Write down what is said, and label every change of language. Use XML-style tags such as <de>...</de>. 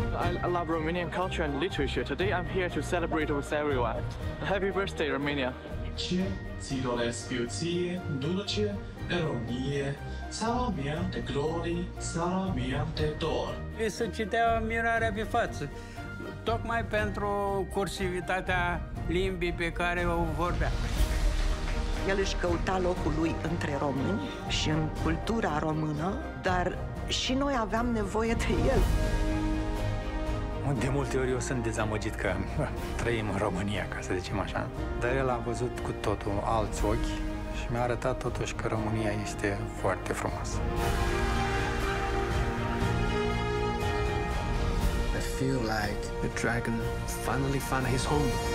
<en>I love Romanian culture and literature. Today I'm here to celebrate with everyone. Happy birthday, Romania!</en> <ro>Ce ți doresc eu ție, dulce, eronie, țara mea de glorie, țara mea de dor. Mi se citea mirarea pe față, tocmai pentru cursivitatea limbii pe care o vorbea. El își căuta locul lui între români și în cultura română, dar și noi aveam nevoie de el. De multe ori eu sunt dezamăgit că trăim în România, ca să zicem așa. Dar el a văzut cu totul alți ochi și mi-a arătat totuși că România este foarte frumoasă.</ro> <en>I feel like the dragon finally found his home.</en>